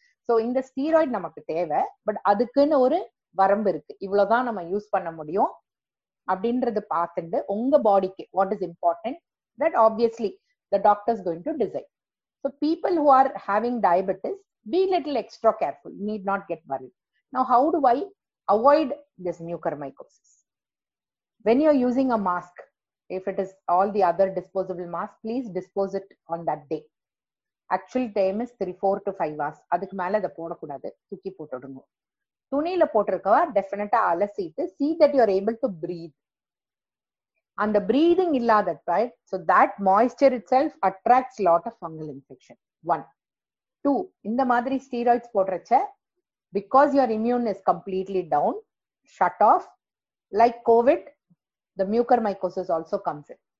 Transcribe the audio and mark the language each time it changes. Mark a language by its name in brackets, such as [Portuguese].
[English] So in the steroid [Tamil] namakku theva, but adukkena or வரம்பு இருக்கு, இவ்வளவுதான் நம்ம யூஸ் பண்ண முடியும் அப்படின்றது பார்த்துட்டு உங்க பாடிக்கு [English] What is important that obviously the doctors going to decide. So people who are having diabetes be little extra careful, need not get worry. Now how do I avoid this mucormycosis, when you are using a mask If it is all the other disposable masks, please dispose it on that day. Actual time is 3-4 to 5 hours. [Tamil] அதுக்கு மேல அதை போடக்கூடாது, தூக்கி போட்டுடுங்க. துணியில போட்டிருக்கவா டெஃபினட்டா அலசிட்டு [English] see that you are able to breathe. And the breathing [Tamil] illada, [English] right? So that moisture itself attracts a lot of fungal infection. One. Two, in the [Tamil] madri steroids potracha, [English] because your immune is completely down, shut off, like COVID, the mucor mycosis also comes in.